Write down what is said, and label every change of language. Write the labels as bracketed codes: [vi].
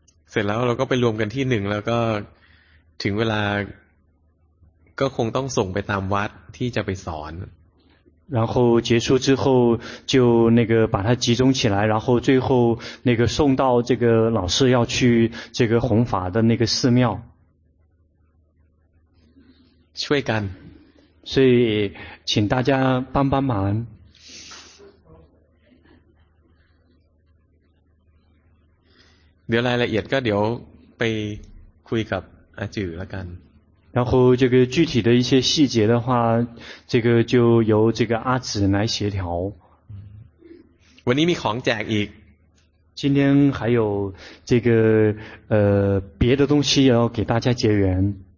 [th] เสร็จแล้วเราก็ไปรวมกันที่หนึ่งแล้วก็ถึงเวลาก็คงต้องส่งไปตามวัดที่จะไปสอน [zh] 然后结束之后就那个把它集中起来然后最后那个送到这个老师要去这个弘法的那个寺庙 [th] ช่วยกัน [zh] 所以请大家帮帮忙 [th] เดี๋ยวรายละเอียดก็เดี๋ยวไปคุยกับอาจือละกัน [zh] 然后这个具体的一些细节的话这个就由这个阿紫来协调 [th] วันนี้มีของแจกอีก [zh] 今天还有这个别的东西要给大家结缘